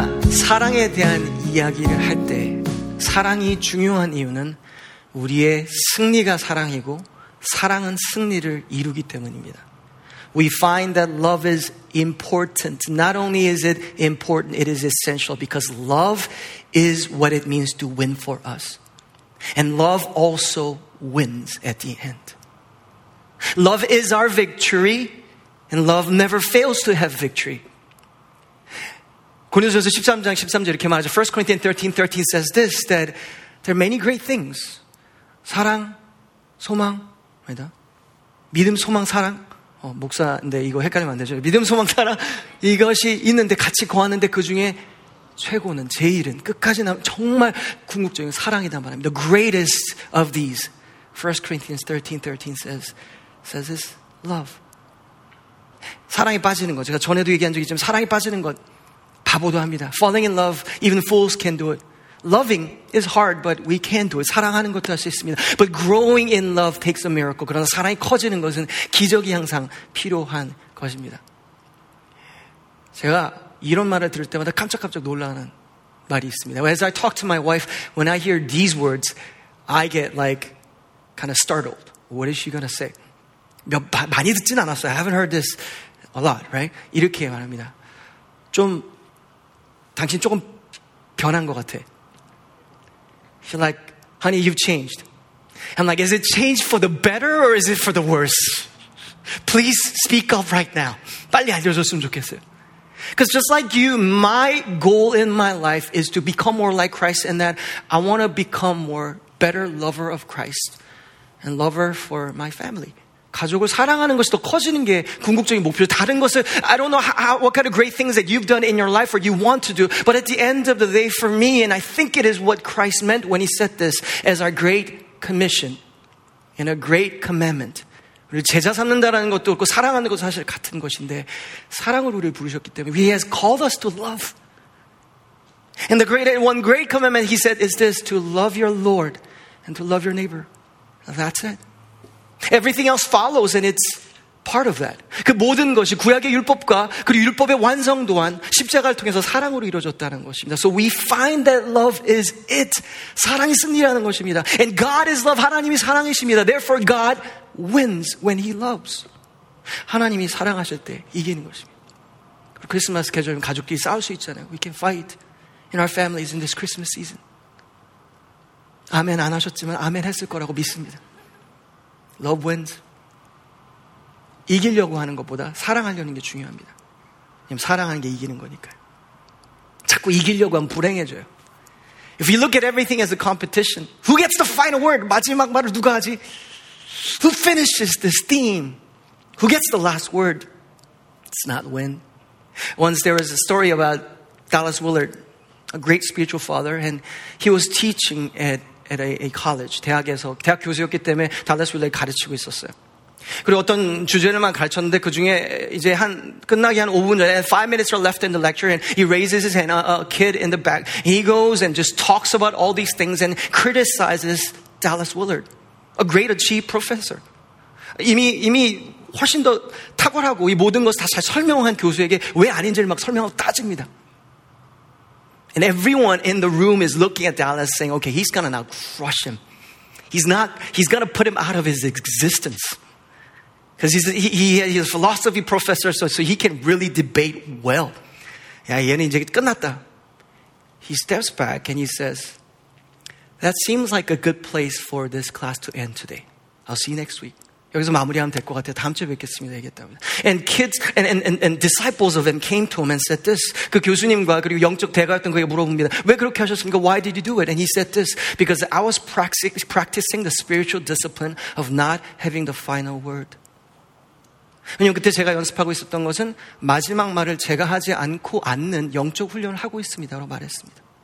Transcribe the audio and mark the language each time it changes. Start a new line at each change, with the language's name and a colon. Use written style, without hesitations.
Korean: 사랑에 대한 이야기를 할 때 사랑이 중요한 이유는 우리의 승리가 사랑이고 사랑은 승리를 이루기 때문입니다.
English: We find that love is important. Not only is it important, it is essential because love is what it means to win for us. And love also wins at the end. Love is our victory, and love never fails to have victory.
Korean: 고린도전서 13장 13절 이렇게 말하죠.
English: 1 Corinthians 13:13 says this, that there are many great things.
Korean: 사랑, 소망, 아니다. 믿음, 소망, 사랑. 목사인데 이거 헷갈리면 안 되죠. 믿음, 소망, 사랑. 이것이 있는데 같이 고하는데 그 중에 최고는, 제일은, 끝까지 남, 정말 궁극적인 사랑이다 말합니다.
English: The greatest of these, 1 Corinthians 13:13 says this, love.
Korean: 사랑에 빠지는 것. 제가 전에도 얘기한 적이 있지만 사랑에 빠지는 것. 바보도 합니다.
English: Falling in love, even fools can do it. Loving is hard, but we can do it.
Korean: 사랑하는 것도 할 수 있습니다.
English: But growing in love takes a miracle.
Korean: 그러나 사랑이 커지는 것은 기적이 항상 필요한 것입니다. 제가 이런 말을 들을 때마다 깜짝깜짝 놀라는 말이 있습니다.
English: As I talk to my wife, when I hear these words, I get like kind of startled. What is she going to say?
Korean: 많이 듣진 않았어요.
English: I haven't heard this a lot, right?
Korean: 이렇게 말합니다. 좀 당신 조금 변한 것 같아.
English: She's like, honey, you've changed. I'm like, is it changed for the better or is it for the worse? Please speak up right now.
Korean: 빨리 알려줬으면 좋겠어요.
English: Because just like you, my goal in my life is to become more like Christ and that I want to become more better lover of Christ and lover for my family.
Korean: 가족을 사랑하는 것이 더 커지는 게 궁극적인 목표죠. 다른 것을,
English: I don't know how, what kind of great things that you've done in your life or you want to do, but at the end of the day for me, and I think it is what Christ meant when he said this as our great commission and a great commandment.
Korean: 우리 제자 삼는다라는 것도 그렇고 사랑하는 것도 사실 같은 것인데 사랑을 우리를 부르셨기 때문에
English: He has called us to love. And the great, one great commandment he said is this, to love your Lord and to love your neighbor. That's it. Everything else follows and it's part of that.
Korean: 그 모든 것이 구약의 율법과 그리고 율법의 완성 또한 십자가를 통해서 사랑으로 이루어졌다는 것입니다.
English: So we find that love is it.
Korean: 사랑이 승리라는 것입니다.
English: And God is love.
Korean: 하나님이 사랑이십니다.
English: Therefore God wins when he loves.
Korean: 하나님이 사랑하실 때 이기는 것입니다. 크리스마스 계절이면 가족끼리 싸울 수 있잖아요.
English: We can fight in our families in this Christmas season.
Korean: 아멘 안 하셨지만 아멘 했을 거라고 믿습니다.
English: Love wins.
Korean: 이기려고 하는 것보다 사랑하려는 게 중요합니다. 왜냐면 사랑하는 게 이기는 거니까요. 자꾸 이기려고 하면 불행해져요.
English: If you look at everything as a competition, who gets the final word?
Korean: 마지막 말을 누가 하지?
English: Who finishes this theme? Who gets the last word? It's not win. Once there was a story about Dallas Willard, a great spiritual father, and he was teaching at a college,
Korean: 대학에서. 대학 교수였기 때문에 달라스 윌러를 가르치고 있었어요. 그리고 어떤 주제를만 가르쳤는데 그 중에 이제 한, 끝나기 한 5분 전에,
English: 5 minutes are left in the lecture, and he raises his hand, a kid in the back. He goes and just talks about all these things and criticizes Dallas Willard, a great achieved professor.
Korean: 이미 훨씬 더 탁월하고 이 모든 것을 다 잘 설명한 교수에게 왜 아닌지를 막 설명하고 따집니다.
English: And everyone in the room is looking at Dallas saying, okay, he's going to now crush him. He's going to put him out of his existence. Because he's a philosophy professor, so he can really debate well.
Korean: Yeah, 얘는 이제 끝났다.
English: He steps back and he says, that seems like a good place for this class to end today. I'll see you next week.
Korean: 여기서 마무리하면 될 것 같아요. 다음 주에 뵙겠습니다. 얘기했다고요.
English: And kids and disciples of him came to him and said this.
Korean: 그 교수님과 그리고 영적 대가였던 그에게 물어봅니다. 왜 그렇게 하셨습니까?
English: Why did you do it? And he said this. Because I was practicing the spiritual discipline of not having the final word.
Korean: 왜냐면 그때 제가 연습하고 있었던 것은 마지막 말을 제가 하지 않고 앉는 영적 훈련을 하고 있습니다라고 말했습니다.